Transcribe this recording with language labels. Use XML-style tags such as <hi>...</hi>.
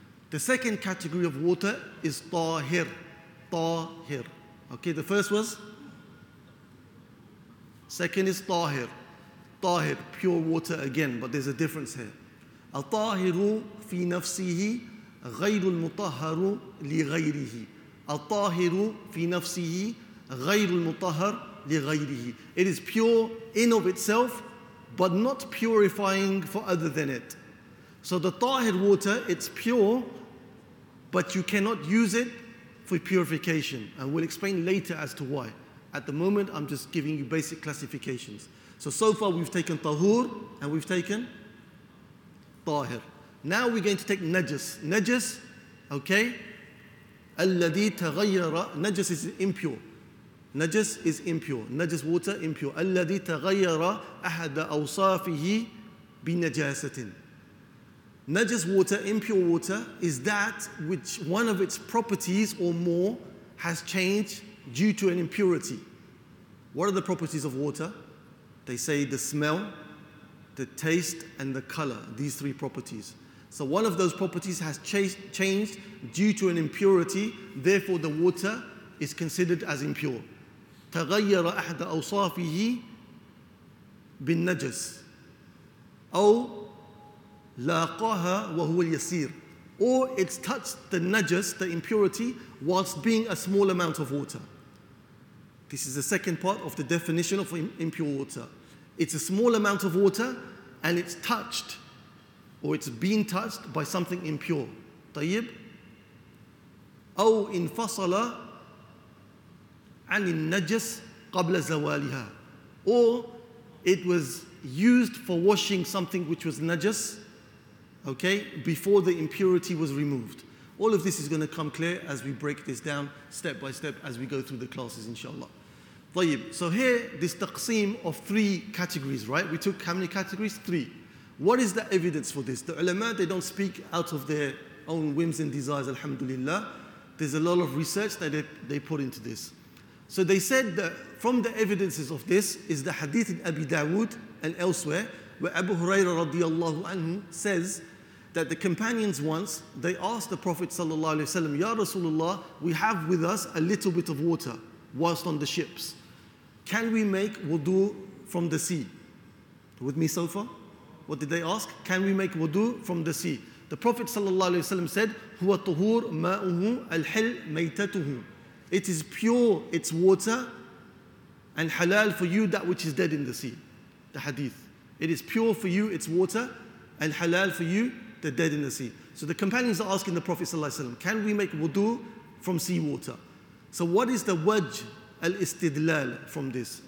<en>The second category of water is tahir, tahir. Okay, the first was? Second is tahir, tahir, pure water again, but there's a difference here.</en> <ar>Al-tahiru fi nafsihi غير المطهر لغيره. الطاهر في نفسه غير المطهر لغيره.</ar> <en>It is pure in of itself, but not purifying for other than it. So the tahir water, it's pure, but you cannot use it for purification. And we'll explain later as to why. At the moment, I'm just giving you basic classifications. So far we've taken tahur and we've taken tahir. Now we're going to take najis. Najis, okay?</en> <ar>الَّذِي تَغَيَّرَ.</ar> <en>Najis is impure. Najis is impure. Najis water, impure.</en> <ar>الَّذِي تَغَيَّرَ أَحَدَ أَوْصَافِهِ بِنَجَاسَةٍ.</ar> <en>Najis water, impure water, is that which one of its properties or more has changed due to an impurity. What are the properties of water? They say the smell, the taste, and the color. These three properties. So one of those properties has changed due to an impurity, therefore the water is considered as impure.</en> <ar>تغير أحد أوصافه بالنجس أو لاقاها وهو اليسير.</ar> <en>Or it's touched the najas, the impurity, whilst being a small amount of water. This is the second part of the definition of impure water. It's a small amount of water and it's touched, or it's been touched by something impure.</en> <ar>طيب. أو انفصل عن النجس قبل زوالها.</ar> <en>Or it was used for washing something which was najas, okay, before the impurity was removed. All of this is going to come clear as we break this down step by step as we go through the classes, inshallah.</en> <ar>طيب.</ar> <en>So here, this taqseem of three categories, right? We took how many categories? Three. What is the evidence for this? The ulama, they don't speak out of their own whims and desires, alhamdulillah. There's a lot of research that they put into this. So they said that from the evidences of this is the hadith in Abi Dawood and elsewhere, where Abu Hurairah radiallahu anhu says that the companions once, they asked the Prophet sallallahu alayhi wa sallam, Ya Rasulullah, we have with us a little bit of water whilst on the ships. Can we make wudu from the sea? With me so far? What did they ask? Can we make wudu from the sea? The Prophet ﷺ said,</en> <ar>هُوَ طُهُورُ مَاءُهُ الْحِلْ مَيْتَتُهُ.</ar> <en>It is pure, it's water, and halal for you that which is dead in the sea. The hadith. It is pure for you, it's water, and halal for you the dead in the sea. So the companions are asking the Prophet ﷺ, can we make wudu from seawater? So what is the wajh al-istidlal from this?</en>